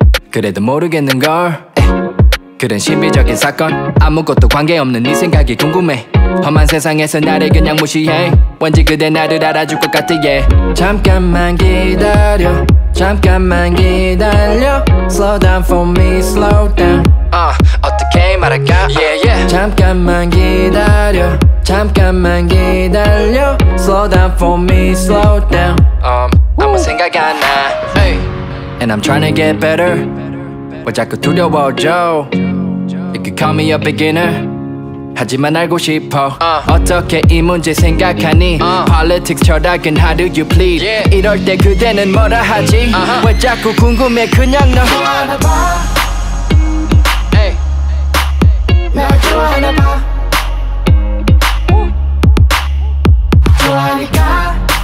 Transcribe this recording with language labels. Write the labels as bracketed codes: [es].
[ko] 그래도 모르겠는 걸. 그런 신비적인 사건 아무것도 관계없는 네 생각이 궁금해. 험한 세상에서 나를 그냥 무시해. 왠지 그대 나를 알아줄 것 같아. [en] Yeah. [ko] 잠깐만 기다려, 잠깐만 기다려. [en] Slow down for me, slow down. [ko] 어떻게 말할까? [en] Yeah, yeah. [ko] 잠깐만 기다려, 잠깐만 기다려. [en] Slow down for me, slow down. [ko] 아무 생각 안 나. Hey. [en] And I'm trying to get better. [ko] 왜 자꾸 두려워져? [en] You could call me a beginner. [ko] 하지만 알고 싶어. 어떻게 이 문제 생각하니? [en] Politics 철학은 how do you plead? Yeah. [ko] 이럴 때 그대는 뭐라 하지? Uh-huh. 왜 자꾸 궁금해? 그냥 너 좋아하나 봐. 날 좋아하나 봐. 좋아하니까.